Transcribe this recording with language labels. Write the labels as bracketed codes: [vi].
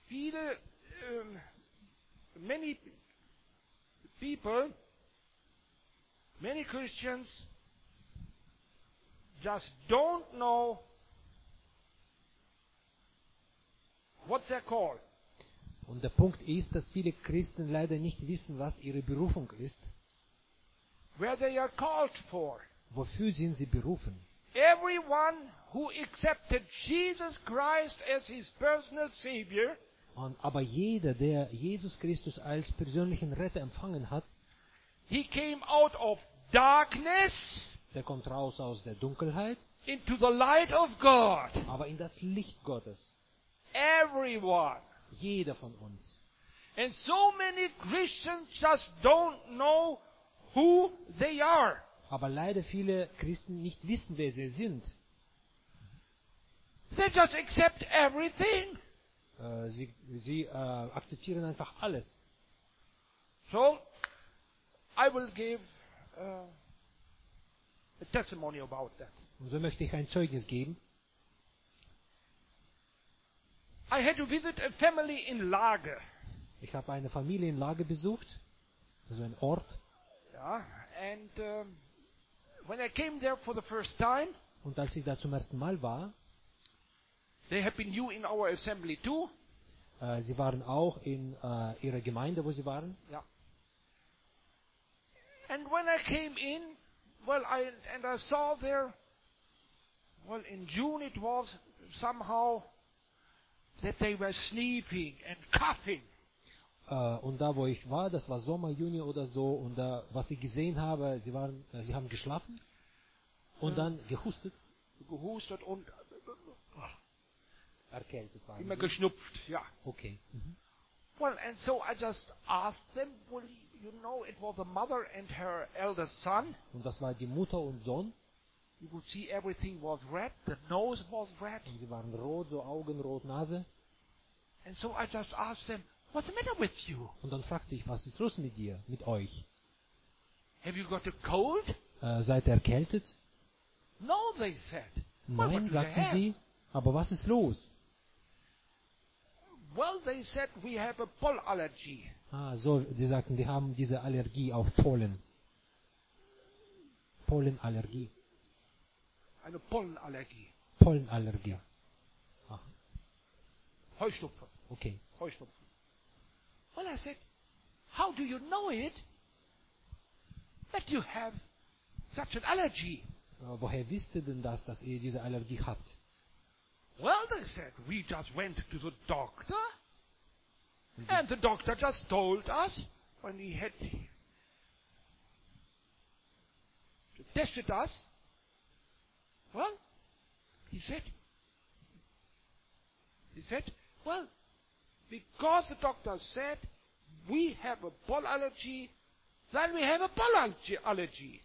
[de] Viele, [en] many people, many Christians just don't know what they're called. [de] Und der Punkt ist, dass viele Christen leider nicht wissen, was ihre Berufung ist. [en] Where they are called for. [de] Wofür sind sie berufen? [en] Everyone who accepted Jesus Christ as his personal Savior. [de] Und aber jeder, der Jesus Christus als persönlichen Retter empfangen hat, [en] he came out of darkness, [de] der kommt raus aus der Dunkelheit, [en] into the light of God, [de] aber in das Licht Gottes. [en] Everyone, [de] jeder von uns. [en] And so many Christians just don't know who they are. [de] Aber leider viele Christen nicht wissen, wer sie sind. [en] They just accept everything. [de] Sie akzeptieren einfach alles. [en] So, I will give a testimony about that. [de] Und so möchte ich ein Zeugnis geben. [en] I had to visit a family in Lage. [de] Ich habe eine Familie in Lage besucht, also ein Ort. [en] Ja, and when I came there for the first time. [de] Und als ich da zum ersten Mal war. [en] They have been new in our assembly too. [de] Sie waren auch in ihrer Gemeinde, wo sie waren. Ja. [en] And when I came in, well, I saw there, well, in June it was somehow that they were sleeping and coughing. [de] Und da, wo ich war, das war Sommer, Juni oder so, und da, was ich gesehen habe, sie haben geschlafen und dann gehustet. Gehustet und erkältet waren. Immer geschnupft, ja. Okay. Mhm. [en] Well, and so I just asked them, well, you know, it was the mother and her eldest son. [de] Und das war die Mutter und Sohn. [en] You could see everything was red, the nose was red. [de] Und sie waren rot, so Augen, rot, Nase. [en] And so I just asked them, what's the matter with you? [de] Und dann fragte ich, was ist los mit dir, mit euch? [en] Have you got a cold? [de] Seid ihr erkältet? [en] No, they said. [de] Nein, sagten sie, aber was ist los? [en] Well, they said we have a pollen allergy. [de] Ah, so, sie sagten, wir haben diese Allergie auf Pollen. Pollenallergie. Eine Pollenallergie. Pollenallergie. Ah. Heuschnupfen. Okay. Heuschnupfen. [en] Well, I said, how do you know it that you have such an allergy? [de] Woher wisst ihr denn das, dass ihr diese Allergie habt? [en] Well, they said, we just went to the doctor. And the doctor just told us, when he had tested us, well, he said, well, because the doctor said, we have a pollen allergy, then we have a pollen allergy.